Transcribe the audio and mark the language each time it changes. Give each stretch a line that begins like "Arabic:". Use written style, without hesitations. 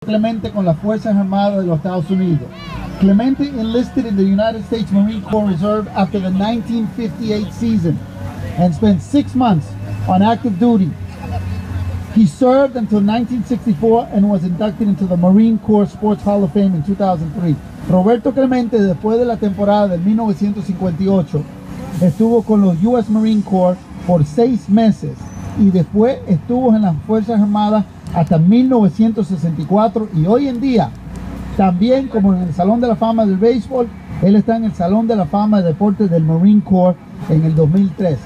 Spanish: Clemente con las Fuerzas Armadas de los Estados Unidos.
English: Clemente enlisted in the United States Marine Corps Reserve after the 1958 season and spent 6 months on active duty. He served until 1964 and was inducted into the Marine Corps Sports Hall of Fame in 2003.
Spanish: Roberto Clemente, después de la temporada del 1958, estuvo con los U.S. Marine Corps por 6 meses y después estuvo en las Fuerzas Armadas hasta 1964 y hoy en día, también como en el Salón de la Fama del Béisbol, él está en el Salón de la Fama de Deportes del Marine Corps en el 2003.